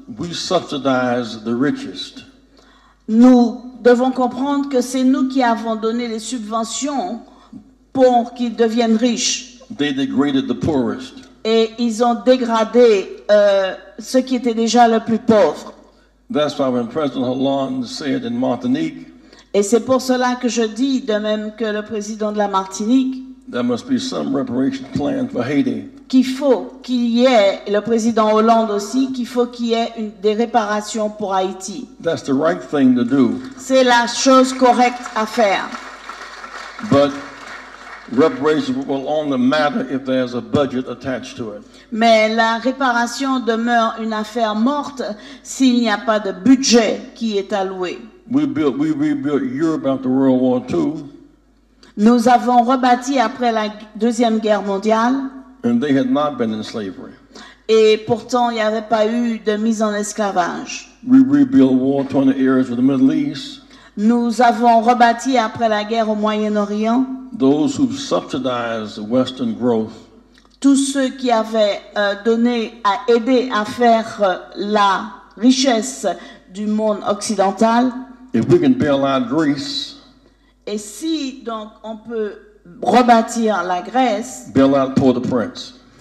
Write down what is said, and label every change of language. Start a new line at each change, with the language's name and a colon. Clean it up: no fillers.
English: We subsidize the richest.
French: Nous devons comprendre que c'est nous qui avons donné les subventions pour qu'ils deviennent riches.
English: They degraded the poorest.
French: Et ils ont dégradé ceux qui étaient déjà le plus pauvre.
English: That's why when President Hollande said in Martinique,
French: Et c'est pour cela que je dis, de même que le président de la Martinique,
English: there must be some reparation plan for Haiti.
French: Qu'il faut qu'il y ait, et le président Hollande aussi, qu'il faut qu'il y ait des réparations pour Haïti.
English: That's the right thing to do.
French: C'est la chose correcte à faire.
English: But reparations will only matter if there's a budget attached to it.
French: Mais la réparation demeure une affaire morte s'il n'y a pas de budget qui est alloué.
English: We rebuilt Europe after World War II.
French: Nous avons rebâti après la Deuxième Guerre mondiale.
English: And they had not been in slavery.
French: Et pourtant, il n'y avait pas eu de mise en esclavage.
English: We rebuilt war-torn areas of the Middle East.
French: Nous avons rebâti après la guerre au Moyen-Orient.
English: Those who subsidized Western growth.
French: Tous ceux qui avaient donné à aider à faire la richesse du monde occidental.
English: If we can bail out Greece.
French: Et si donc on peut rebâtir la Grèce.
English: Bail out Port-au-Prince.